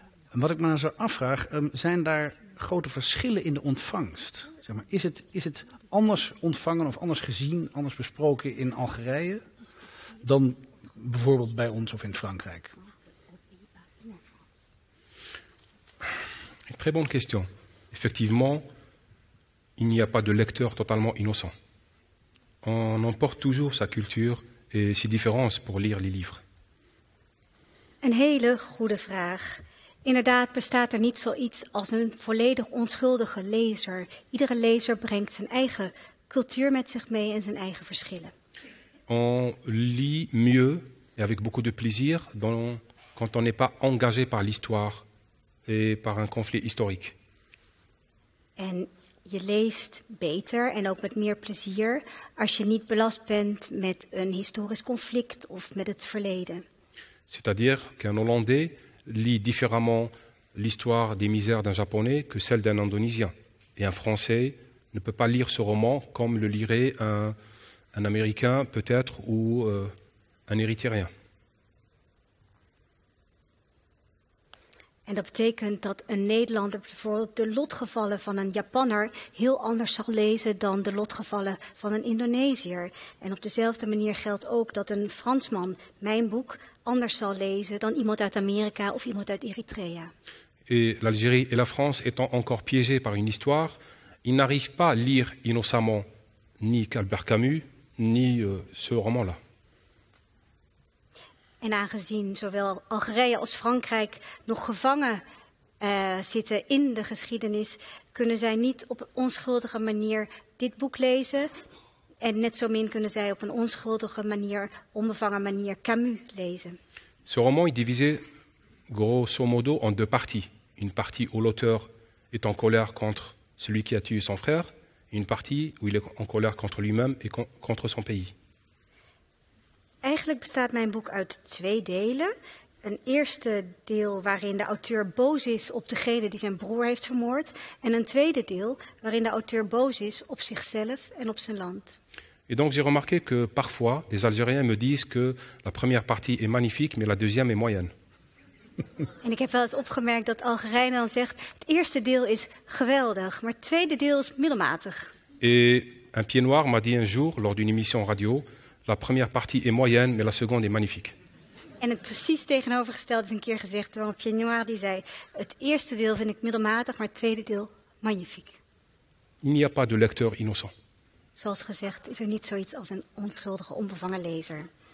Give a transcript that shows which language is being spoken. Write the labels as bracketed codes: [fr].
[nl] En wat ik me nou zo afvraag, zijn daar grote verschillen in de ontvangst? Zeg maar, is het anders ontvangen of anders gezien, anders besproken in Algerije dan... bijvoorbeeld bij ons of in Frankrijk? [fr] Une très bonne question. Effectivement, il n'y a pas de lecteur totalement innocent. On emporte toujours sa culture et ses différences pour lire les livres. [nl] Een hele goede vraag. Inderdaad bestaat er niet zoiets als een volledig onschuldige lezer. Iedere lezer brengt zijn eigen cultuur met zich mee en zijn eigen verschillen. [fr] On lit mieux et avec beaucoup de plaisir quand on n'est pas engagé par l'histoire et par un conflit historique. [nl] En je leest beter en ook met meer plezier als je niet belast bent met een historisch conflict of met het verleden. [fr] C'est-à-dire qu'un Hollandais lit différemment l'histoire des misères d'un Japonais que celle d'un Indonésien. Et un Français ne peut pas lire ce roman comme le lirait un Américain peut-être ou un Érythréen. [nl] En dat betekent dat een Nederlander bijvoorbeeld de lotgevallen van een Japanner heel anders zal lezen dan de lotgevallen van een Indonesiër. En op dezelfde manier geldt ook dat een Fransman mijn boek anders zal lezen dan iemand uit Amerika of iemand uit Eritrea. [fr] Et l'Algérie et la France étant encore piégés par une histoire, ils n'arrivent pas à lire innocemment ni Albert Camus ni ce roman-là. [nl] En aangezien zowel Algerije als Frankrijk nog gevangen zitten in de geschiedenis, kunnen zij niet op een onschuldige manier dit boek lezen. En net zo min kunnen zij op een onschuldige manier, onbevangen manier, Camus lezen. [fr] Ce roman est divisé grosso modo en deux parties. Une partie où l'auteur est en colère contre celui qui a tué son frère. Une partie où il est en colère contre lui-même et contre son pays. [nl] Eigenlijk bestaat mijn boek uit twee delen. Een eerste deel waarin de auteur boos is op degene die zijn broer heeft vermoord. En een tweede deel waarin de auteur boos is op zichzelf en op zijn land. [fr] Et donc j'ai remarqué que parfois des Algériens me disent que la première partie est magnifique, mais la deuxième est moyenne. [nl] En ik heb wel eens opgemerkt dat Algerijn dan zegt: het eerste deel is geweldig, maar het tweede deel is middelmatig. [fr] Et un pied noir m'a dit un jour lors d'une émission radio. La première partie est moyenne, mais la seconde est magnifique. [nl] En het precies tegenovergestelde is een keer gezegd door een pionnier die zei: het eerste deel vind ik middelmatig, maar het tweede deel magnifiek. [fr] Il n'y a pas de lecteur innocent. [nl] Zoals gezegd is er niet zoiets als een onschuldige, onbevangen lezer.